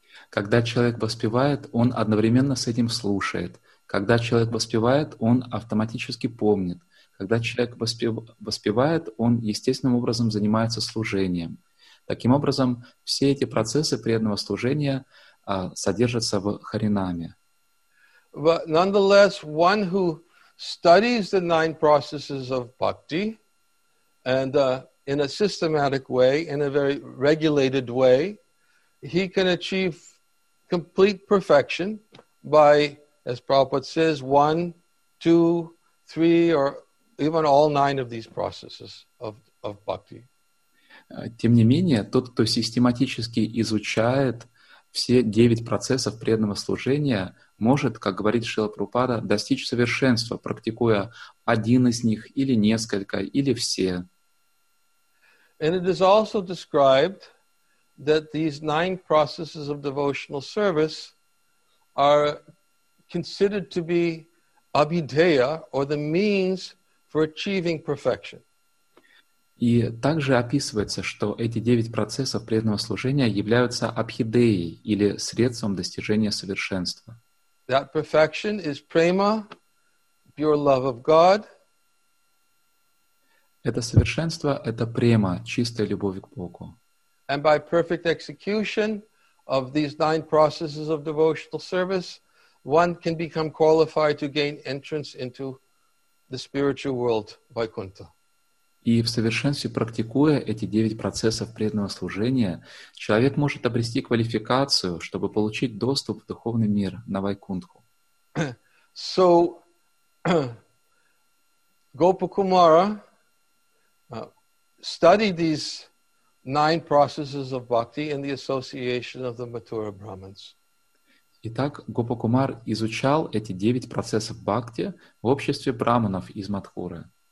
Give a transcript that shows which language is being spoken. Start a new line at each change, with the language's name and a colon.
Russian: Когда человек воспевает, он одновременно с этим слушает. Когда человек воспевает, он автоматически помнит. Когда человек воспевает, он естественным образом занимается служением. Таким образом, все эти процессы преданного служения содержатся в Харинаме.
English: But nonetheless, one who studies the nine processes of bhakti and in a systematic way, in a very regulated way, he can achieve complete perfection by, as Prabhupada says, one, two, three, or even all nine of these processes of bhakti.
Russian: Тем не менее, тот, кто систематически изучает все девять процессов преданного служения, может, как говорит Шрила Прабхупада, достичь совершенства, практикуя один из них, или несколько, или все.
English: And it is also described that these nine processes of devotional service are considered to be abhidheya, or the means for achieving perfection.
Russian: И также описывается, что эти девять процессов преданного служения являются абхидеей, или средством достижения совершенства.
English: That perfection is prema, pure love of God.
Russian: Это совершенство — это према, чистая любовь к Богу.
English: And by perfect execution of these nine processes of devotional service, one can become qualified to gain entrance into the spiritual world, Vaikuntha.
Russian: И в совершенстве практикуя эти девять процессов преданного служения, человек может обрести квалификацию, чтобы получить доступ в духовный мир на Вайкунтху.
English: So, Gopakumara studied these nine processes of bhakti in the association of the Mathura Brahmins.
Russian: Итак, Гопакумар изучал эти девять процессов бхакти в обществе браманов из Матхуры.